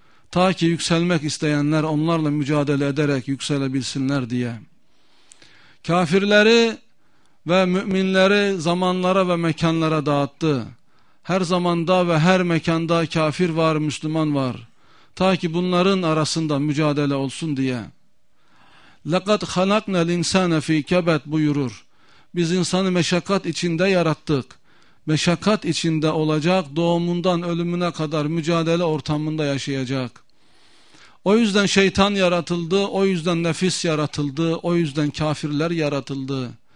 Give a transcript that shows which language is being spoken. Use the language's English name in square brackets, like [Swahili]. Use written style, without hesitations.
[Turkish] Ta ki yükselmek isteyenler onlarla mücadele ederek yükselebilsinler diye. Kafirleri ve müminleri zamanlara ve mekanlara dağıttı. Her zamanda ve her mekanda kafir var, Müslüman var. Ta ki bunların arasında mücadele olsun diye. [Arabic] لَقَدْ خَلَقْنَا الْاِنْسَانَ ف۪ي كَبَدْ [Turkish] buyurur. Biz insanı meşakkat içinde yarattık. Meşakkat içinde olacak, doğumundan ölümüne kadar mücadele ortamında yaşayacak. O yüzden şeytan yaratıldı, o yüzden nefis yaratıldı, o yüzden kafirler yaratıldı.